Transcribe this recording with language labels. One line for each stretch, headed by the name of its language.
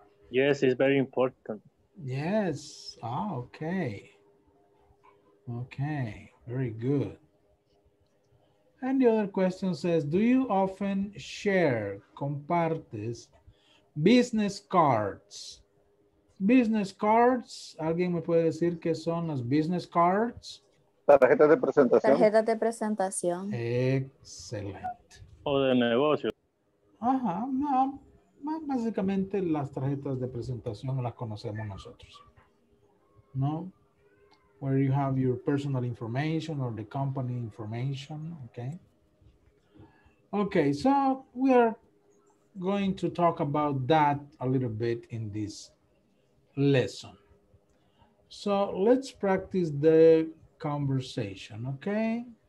English: Yes, it's very important. Yes. Oh, okay. Okay, very good. And the other question says, do you often share,
Spanish: compartes,
English: business cards?
Spanish: Business cards, ¿alguien me puede decir qué son las business cards? Tarjetas de presentación. Tarjetas de presentación.
English: Excellent.
Spanish: O de negocio. Ajá, no, básicamente las tarjetas de presentación las conocemos nosotros, ¿no?
English: Where you have your personal information or the company information, okay? Okay, so we are going to talk about that a little bit in this lesson. So let's practice the conversation, okay?